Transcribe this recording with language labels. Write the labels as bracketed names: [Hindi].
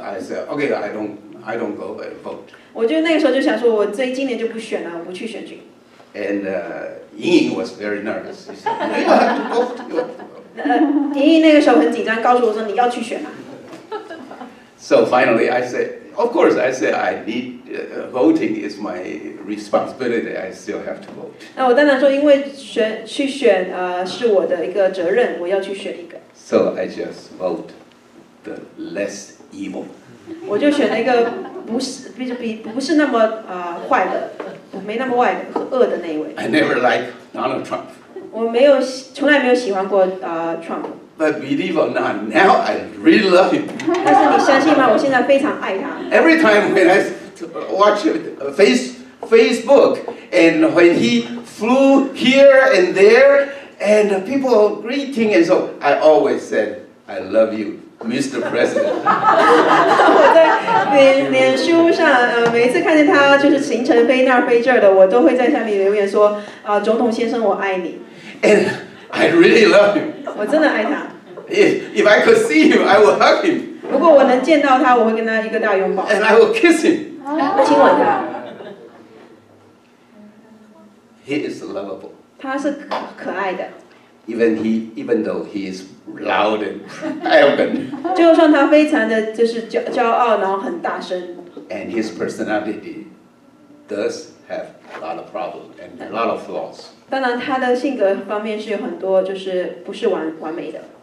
[English] I said, "Okay, I don't go and vote." [Chinese] 我就那个时候就想说，我这今年就不选了，我不去选举。 [English] And Ying Ying was very nervous. She said, "You have to vote." [Chinese] 莹莹那个时候很紧张，告诉我说你要去选啊。 [English] So finally, I said, "Of course." I said, "I need voting is my responsibility. I still have to vote." [Chinese] 那我当然说，因为去选是我的一个责任，我要去选一个。 [English] So I just vote the less evil. [Chinese] 我就选了一个不是那么坏的，没那么坏的恶的那一位。 [English] I never liked Donald Trump. [Chinese] 我没有从来没有喜欢过Trump. [English] But believe or not, now I really love him. [Chinese] 但是你相信吗？我现在非常爱他。 [English] Every time when I watch Facebook, and when he flew here and there, and people greeting and so, I always said, "I love you, Mr. President." [Chinese] 我在脸书上，每次看见他就是行程飞那儿飞这儿的，我都会在下面留言说，总统先生，我爱你。 [English] And I really love him. [Chinese] 我真的爱他。 [English] If I could see him, I would hug him. [Chinese] 如果我能见到他，我会跟他一个大拥抱。 [English] And I would kiss him. [Chinese] 亲吻他。 [English] He is lovable. [Chinese] 他是可爱的。 [English] Even though he is loud and arrogant. [Chinese] 就算他非常的就是骄傲，然后很大声。 [English] And his personality does have a lot of problems and a lot of flaws. [Chinese] 当然他的性格方面是有很多就是不是 完美的。